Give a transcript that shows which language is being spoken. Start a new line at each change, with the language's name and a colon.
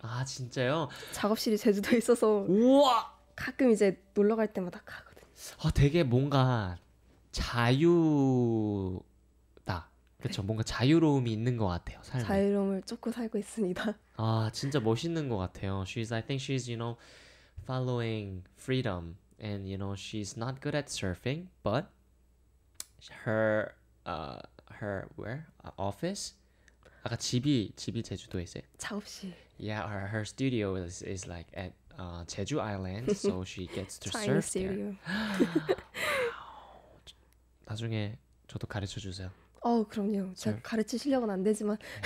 Korean: 아 진짜요? 작업실이 제주도에 있어서 우와! 가끔 이제 놀러 갈 때마다 가거든요. 아 되게 뭔가 자유다. 그렇죠? 네. 뭔가 자유로움이 있는 것 같아요. 삶에. 자유로움을 쫓고 살고 있습니다. 아 진짜 멋있는 것 같아요.
English: She's, I think she's, you know, following freedom. And, you know, she's not good at surfing, but her... Her where? Office?
Korean: 아까 집이 제주도에 있어요? 작업실.
English: Yeah, her studio is like at Jeju Island, so she gets to surf there. Tiny studio.
Korean: 나중에 저도 가르쳐 주세요. 그럼요. 제가 가르칠 실력은 안 되지만.